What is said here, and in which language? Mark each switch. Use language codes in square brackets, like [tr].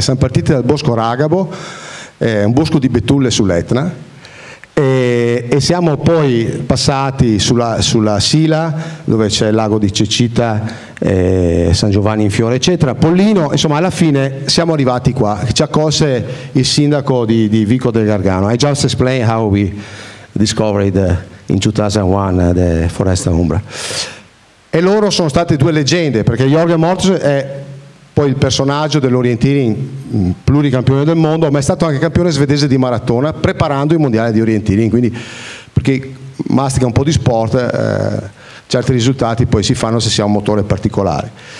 [it] Siamo partiti dal bosco Ragabo, un bosco di betulle sull'Etna, e siamo poi passati sulla Sila, dove c'è il lago di Cecita, San Giovanni in Fiore, eccetera, Pollino, insomma alla fine siamo arrivati qua. Ci accolse il sindaco di Vico del Gargano. [en] I just explained how we discovered in 2001 the Foresta Umbra. [it] E loro sono state due leggende, perché Jørgen Mortensen è poi il personaggio dell'Orientini, pluricampione del mondo, ma è stato anche campione svedese di maratona preparando il mondiale di Orientini. Quindi, perché mastica un po' di sport, certi risultati poi si fanno se si ha un motore particolare.